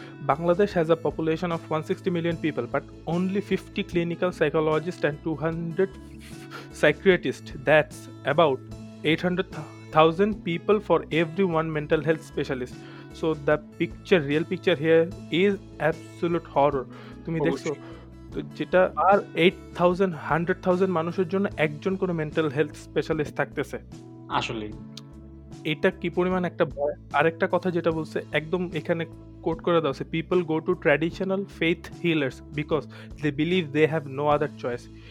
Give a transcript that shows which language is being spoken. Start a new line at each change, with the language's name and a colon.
English: Bangladesh has a population of 160 million people, but only 50 clinical psychologist and 200 psychiatrist, that's about 800,000 people for every one mental health specialist. So the picture, real picture here is absolute horror.
Bangla: তুমি দেখছো তো যেটা আর 800,000 মানুষের জন্য একজন কোনো mental health specialist থাকতেছে আসলে, এটা কি পরিমাণ একটা ভয়। আরেকটা কথা যেটা বলছে একদম এখানে কোট করে দাও,
English: People go to traditional faith healers because they believe they have no other choice.